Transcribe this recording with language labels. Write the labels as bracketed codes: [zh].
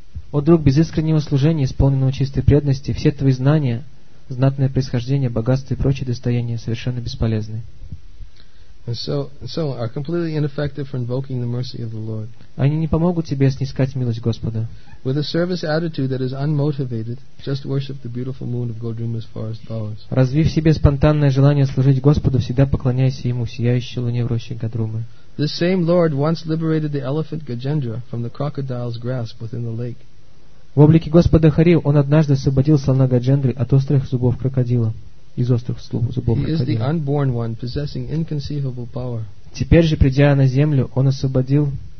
[ru] О друг, без искреннего служения, исполненного чистой преданности, все твои знания, знатное происхождение, богатство и прочие достояния совершенно бесполезны. [en] So are completely ineffective for invoking the mercy of the Lord. [ru] Они не помогут тебе снискать милость Господа. [en] With a service attitude that is unmotivated, just worship the beautiful moon of Godruma's forest bowers. [ru] Развив в себе спонтанное желание служить Господу, всегда поклоняйся ему, сияющей луне в роще Годрумы. [en] The same Lord once liberated the elephant Gajendra from the crocodile's grasp within the lake. [ru] В облике Господа Хари он однажды освободил слона Гаджендры от острых зубов крокодила. Из острых зубов крокодила. [en] He is the unborn one, possessing inconceivable power. [ru] Теперь же, придя на землю, он освободил...